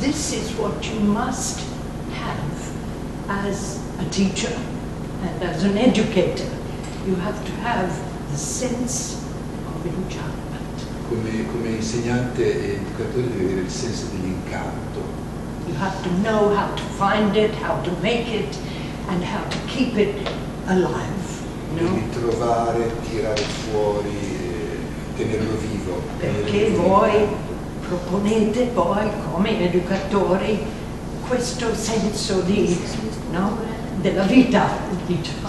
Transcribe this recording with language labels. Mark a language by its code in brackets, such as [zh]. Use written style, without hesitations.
[en] This is what you must have as a teacher and as an educator. You have to have the sense of enchantment. [it] Come insegnante e educatore devi avere il senso dell'incanto. [en] You have to know how to find it, how to make it, and how to keep it alive. No? [it] Devi trovare, tirare fuori, tenerlo vivo. Perché voi proponete poi come educatori questo senso di, no, della vita, diciamo,